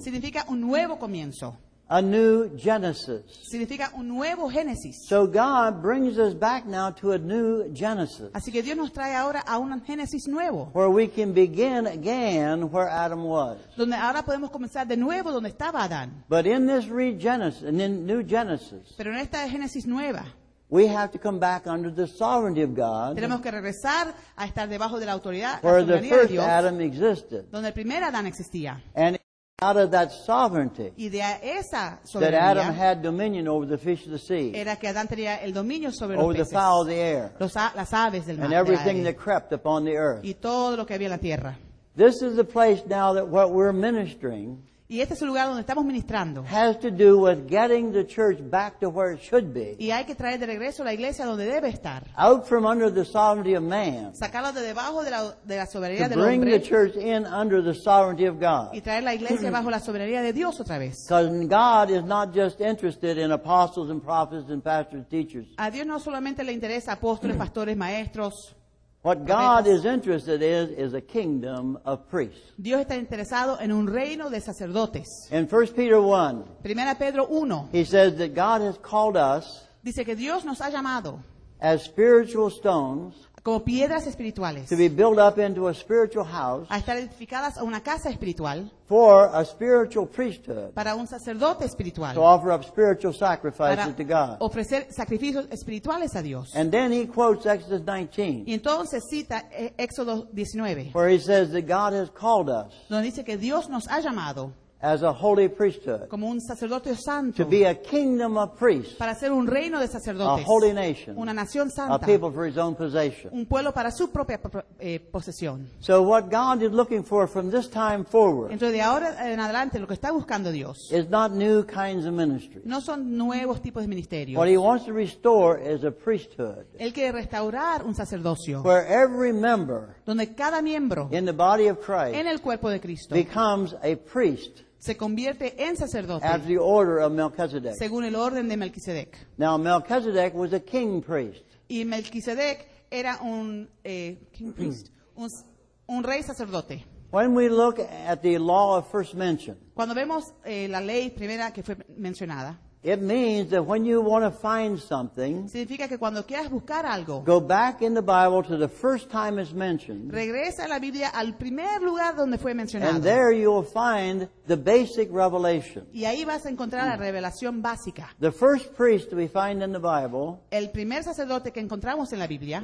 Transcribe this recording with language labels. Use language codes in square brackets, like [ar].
[es] Significa un nuevo comienzo. [en] A new Genesis. [es] Significa un nuevo Génesis. [en] So God brings us back now to a new Genesis. [es] Así que Dios nos trae ahora a un Génesis nuevo. [en] Where we can begin again where Adam was. [es] Donde ahora podemos comenzar de nuevo donde estaba Adán. [en] But in this regeneration, and in new Genesis. [es] Pero en esta Génesis nueva. [en] We have to come back under the sovereignty of God. [es] Tenemos que regresar a estar debajo de la autoridad, [en] where [es] la soberanía [en] the first [es] de Dios, [en] Adam existed. [es] Donde el primer Adán existía. [en] And out of that sovereignty, [es] y de esa [en] that Adam had dominion over the fish of the sea, [es] era que Adán tenía el dominio sobre [en] over [es] los peces, [en] the fowl of the air, [es] las aves del mar, [en] and everything that crept upon the earth. [es] Y todo lo que había en la tierra. [en] This is the place now that what we're ministering. [es] Y este es el lugar donde estamos ministrando. [en] Has to do with getting the church back to where it should be. [es] Y hay que traer de regreso la iglesia donde debe estar. [en] Out from under the sovereignty of man. [es] Sacarla de debajo de la soberanía del hombre. [en] Bring the church in under the sovereignty of God. [es] Y traer la iglesia bajo la soberanía de Dios otra vez. [en] Because God is not just interested in apostles and prophets and pastors and teachers. [es] A Dios no solamente le interesa apóstoles, pastores, maestros. [en] What God is interested in is a kingdom of priests. [es] Dios está interesado en un reino de sacerdotes. [en] In 1 Peter 1, [es] Primera Pedro 1, [en] he says that God has called us, [es] dice que Dios nos ha llamado, [en] as spiritual stones, [es] como piedras espirituales, [en] to be built up into a spiritual house, [es] a estar edificadas a una casa espiritual, [en] for a spiritual priesthood, [es] para un sacerdote espiritual, [en] to offer up spiritual sacrifices [es] para [en] to God, [es] ofrecer sacrificios espirituales a Dios. [en] And then he quotes Exodus 19, [es] y entonces cita Éxodo 19, [en] where he says that God has called us, [es] donde dice que Dios nos ha llamado, [en] as a holy priesthood, [es] como un sacerdote santo, [en] to be a kingdom of priests, [es] para ser un reino de sacerdotes, [en] a holy nation, [es] una nación santa, [en] a people for his own possession, [es] un pueblo para su propia posesión. [en] So what God is looking for from this time forward, [es] entonces de ahora en adelante lo que está buscando Dios, [en] is not new kinds of ministries, [es] no son nuevos tipos de ministerios. [en] What he wants to restore is a priesthood, [es] él quiere restaurar un sacerdocio, [en] where every member, [es] donde cada miembro, [en] in the body of Christ, [es] en el cuerpo de Cristo, [en] becomes a priest, [es] se convierte en sacerdote, [en] as the order of Melchizedek, [es] según el orden de Melquisedec. [en] Now Melchizedek was a king priest. [es] Y Melquisedec era un [en] king priest, [es] un rey sacerdote. [en] When we look at the law of first mention, [es] cuando vemos la ley primera que fue mencionada, [en] it means that when you want to find something, [es] significa que cuando quieras buscar algo, [en] go back in the Bible to the first time it's mentioned. [es] Regresa a la Biblia al primer lugar donde fue mencionado. [en] And there you will find the basic revelation. [es] Y ahí vas a encontrar la revelación básica. [en] The first priest we find in the Bible, [es] el primer sacerdote que encontramos en la Biblia,